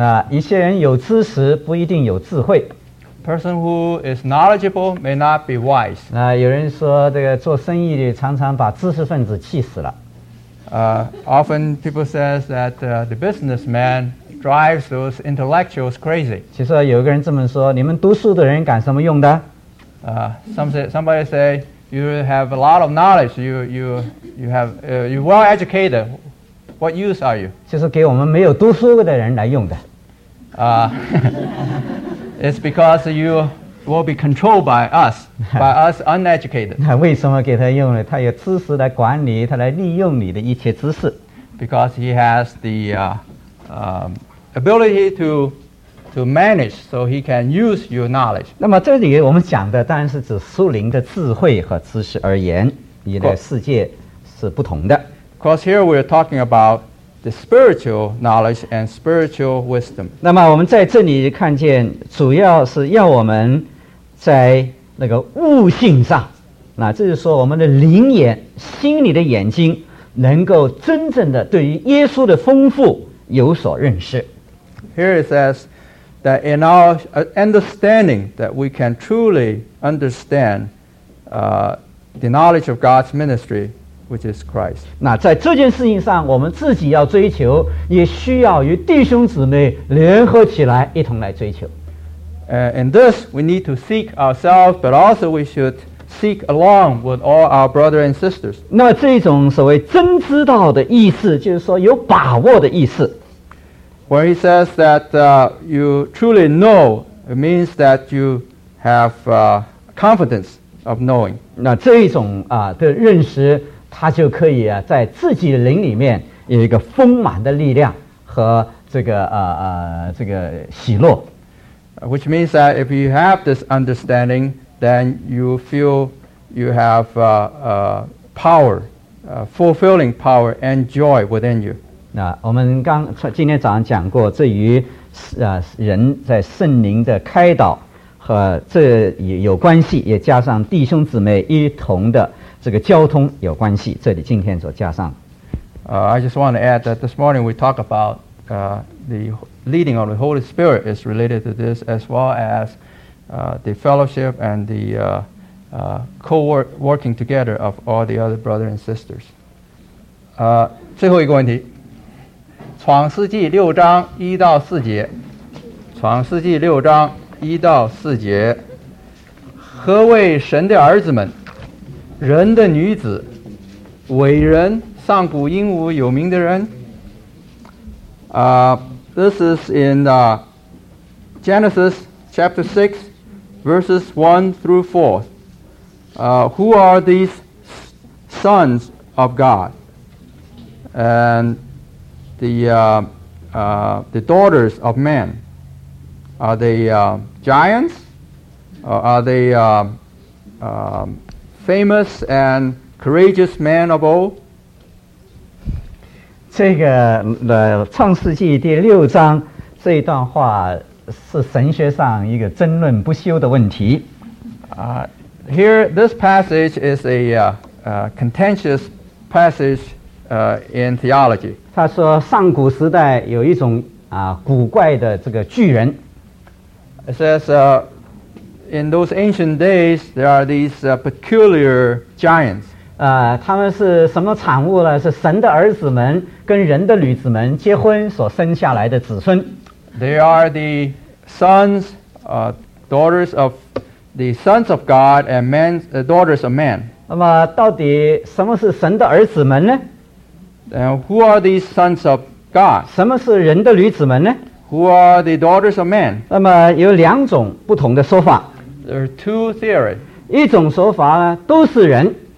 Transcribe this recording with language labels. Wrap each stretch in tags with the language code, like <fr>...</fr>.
<zh>一些人有知识不一定有智慧。</zh> <en>Person who is knowledgeable may not be wise.</en> <zh>有人说这个做生意的常常把知识分子气死了。</zh> <en>Often people says that the businessman drives those intellectuals crazy.</en> <zh>其实有个人这么说，你们读书的人干什么用的？</zh> <en>Somebody say you have a lot of knowledge. You well educated. What use are you?</en> <zh>就是给我们没有读书的人来用的。</zh> <en>it's because you will be controlled by us uneducated.</en> <zh>那为什么给他用呢？他有知识来管理，他来利用你的一切知识。</zh> <en>Because he has the ability to to manage so he can use your knowledge.</en> <zh>那么这里我们讲的当然是指属灵的智慧和知识而言，你的世界是不同的。</zh> <en>Because here we are talking about the spiritual knowledge and spiritual wisdom.</en> <zh>那么我们在这里看见主要是要我们在那个悟性上，那这就是说我们的灵眼心里的眼睛能够真正的对于耶稣的丰富有所认识。</zh> <en>Here it says that in our understanding that we can truly understand the knowledge of God's ministry, which is Christ.</en> <zh>那在这件事情上我们自己要追求，也需要与弟兄姊妹联合起来一同来追求。</zh> <en>In this, we need to seek ourselves, but also we should seek along with all our brothers and sisters.</en> <zh>那这种所谓真知道的意思，就是说有把握的意思。</zh> <en>When he says that you truly know, it means that you have confidence of knowing.</en> <zh>那这一种的认识，它就可以在自己的灵里面有一个丰满的力量和这个这个喜乐。</zh> <en>Which means that if you have this understanding, then you feel you have power, fulfilling power and joy within you.</en> <zh>那我们刚今天早上讲过，这与人在圣灵的开导和这有关系，也加上弟兄姊妹一同的这个交通有关系。这里今天所加上。</zh> <en>I just want to add that this morning we talk about the leading of the Holy Spirit is related to this as well as the fellowship and the co-working together of all the other brothers and sisters.</en> <zh>最后一个问题，创世纪六章一到四节，创世纪六章一到四节，何谓神的儿子们，人的女子，伟人，上古英武有名的人？</zh> <en>This is in Genesis chapter 6, verses 1 through 4. Who are these sons of God? And the daughters of man? Are they giants? Or are they famous and courageous men of old?</en> <zh>这个创世纪第六章这一段话是神学上一个争论不休的问题。</zh> <en>Here this passage is a contentious passage in theology.</en> <zh>他说上古时代有一种古怪的这个巨人。</zh> <en>It says in those ancient days there are these peculiar giants.</en> <zh>他们是什么产物呢？是神的儿子们跟人的女子们结婚所生下来的子孙。</zh> <en>They are the sons, daughters of the sons of God and men, daughters of man.</en> <zh>那么到底什么是神的儿子们呢？</zh> <en>And who are the sons of God?</en> <zh>什么是人的女子们呢？</zh> <en>Who are the daughters of man?</en> <zh>那么有两种不同的说法。</zh> <en>There are two theories.</en> <zh>一种说法呢，都是人。</zh>